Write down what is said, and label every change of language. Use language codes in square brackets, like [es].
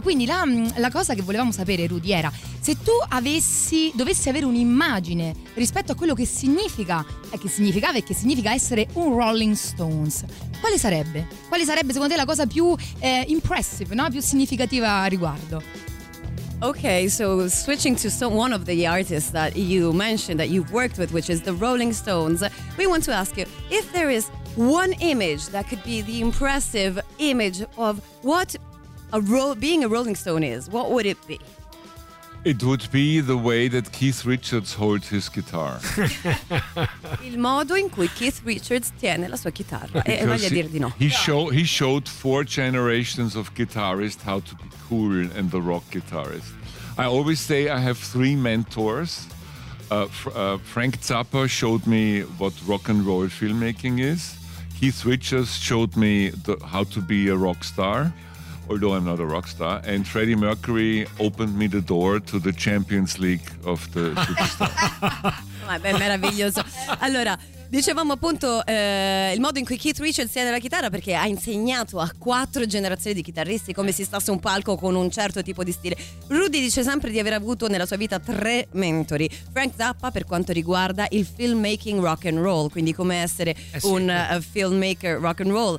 [it] Quindi la cosa che volevamo sapere, Rudy, era se tu dovessi avere un'immagine rispetto a quello che significa, che significava e che significa essere un Rolling Stones, quale sarebbe? Quale sarebbe secondo te la cosa più impressive, no? Più significativa a riguardo? [en] Okay, so switching to one of the artists that you mentioned that you've worked with, which is the Rolling Stones, we want to ask you if there is one image that could be the impressive image of what being a Rolling Stone is, what would it be? It would be the way that Keith Richards holds his guitar. [it] Il modo in cui Keith Richards tiene la sua chitarra. E voglio dire di no. [en] He showed four generations of guitarists how to be cool and the rock guitarist. I always say I have three mentors. Frank Zappa showed me what rock and roll filmmaking is. Keith Richards showed me how to be a rock star, although I'm not a rock star, and Freddie Mercury opened me the door to the Champions League of the Superstar. [it] Vabbè, meraviglioso. Allora, dicevamo appunto il modo in cui Keith Richards tiene la chitarra, perché ha insegnato a quattro generazioni di chitarristi come si sta su un palco con un certo tipo di stile. Rudy dice sempre di aver avuto nella sua vita tre mentori: Frank Zappa per quanto riguarda il filmmaking rock and roll, quindi come essere un filmmaker rock and roll.